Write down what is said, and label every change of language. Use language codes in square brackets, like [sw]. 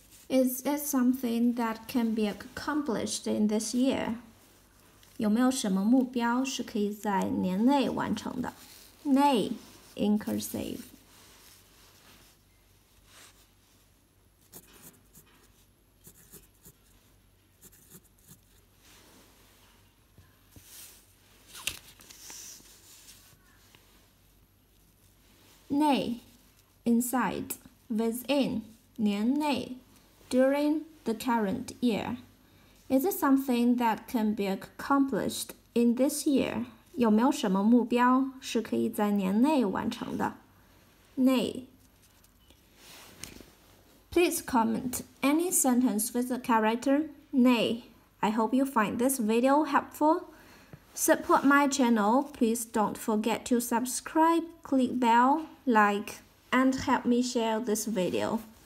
[en] Is it something that can be accomplished in this year? [zh] 有没有什么目标是可以在年内完成的? [en] Nay, in cursive. Nay, inside, within, 年内。 During the current year, is it something that can be accomplished in this year? [zh] 有没有什么目标是可以在年内完成的? [en] Nay. Please comment any sentence with the character nay. I hope you find this video helpful. Support my channel. Please don't forget to subscribe, click bell, like, and help me share this video.